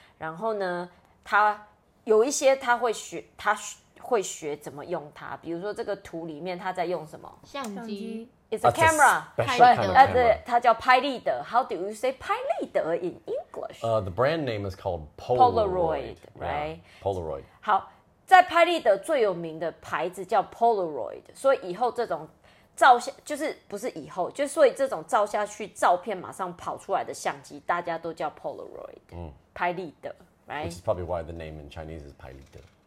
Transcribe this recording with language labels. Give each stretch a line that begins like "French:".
Chinese: 然后呢，他有一些他会学，他会学怎么用它。比如说这个图里面他在用什么？相机。
English: It's a camera. That's a special kind of camera. It's called How do you say 拍立得 in English? The brand name is called Polaroid. Polaroid, right? Yeah, Polaroid.
Chinese: 好，在拍立得最有名的牌子叫 Polaroid. 所以以后这种照下，就是不是以后，就所以这种照下去照片马上跑出来的相机，大家都叫 Polaroid. 拍立得 right?
English: Which is probably why the name in Chinese is 拍立得